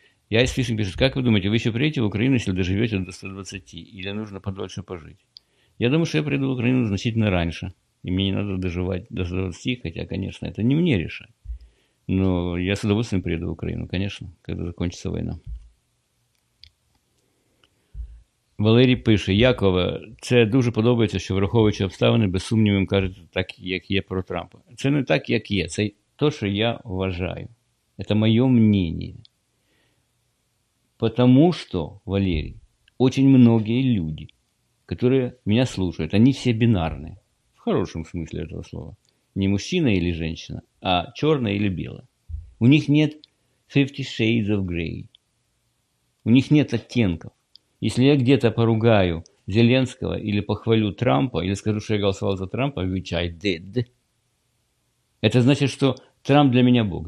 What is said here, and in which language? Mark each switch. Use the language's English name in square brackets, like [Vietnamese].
[Russian] Я из Фишинг пишет, как вы думаете, вы еще приедете в Украину, если доживете до 120, или нужно подольше пожить? Я думаю, что я приеду в Украину значительно раньше, и мне не надо доживать до 120, хотя, конечно, это не мне решать. Но я с удовольствием приеду в Украину, конечно, когда закончится война. [Ukrainian] Валерій пише, Якове, це дуже подобається, що враховуючи обставини, без сумнівів кажете так, як є про Трампа. Це не так, як є. Це то, що я вважаю. Це моє мнение. Тому що, Валерій, дуже багато людей, які мене слухають, вони всі бінарні. В хорошому смислі цього слова. [Russian] Не мужчина или женщина, а [Ukrainian] чорна или біла. [Russian] У них нет [English] 50 shades of gray. [Russian] У них нет оттенків. Если я где-то поругаю Зеленского или похвалю Трампа, или скажу, что я голосовал за Трампа, [English] which I did, [Russian] это значит, что Трамп для меня Бог.